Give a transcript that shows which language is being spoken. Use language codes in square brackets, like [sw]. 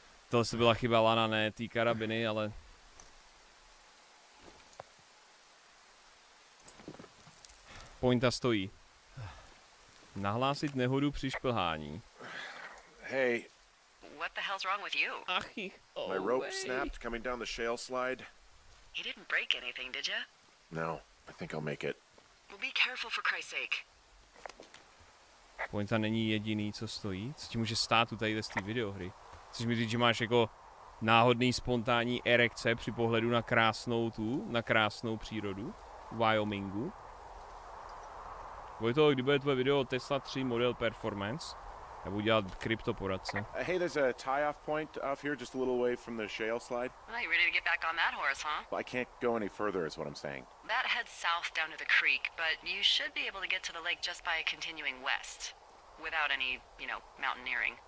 [cs] Tohle se byla chyba lana, ne té karabiny, ale... Pointa stojí. Nahlásit nehodu při šplhání. [en] Hey. What the hell's wrong with you? Achy. Oh, my rope snapped coming down the shale slide. You didn't break anything, did you? No, I think I'll make it. Well, be careful for Christ's sake. [cs] Pointa není jediný, co stojí. Co ti může stát u tady z té videohry? Chceš mi říct, že máš jako náhodný spontánní erekce při pohledu na krásnou tu, na krásnou přírodu Wyomingu? Vojto, kdy bude tvoje video Tesla 3 model performance? Já budu dělat kryptoporadce. [en] Hey, there's a tie-off point off here, just a little way from the shale slide. Well, you ready to get back on that horse, huh? Well, I can't go any further, is what I'm saying. That heads south down to the creek, but you should be able to get to the lake just by continuing west. Without any, you know, mountaineering.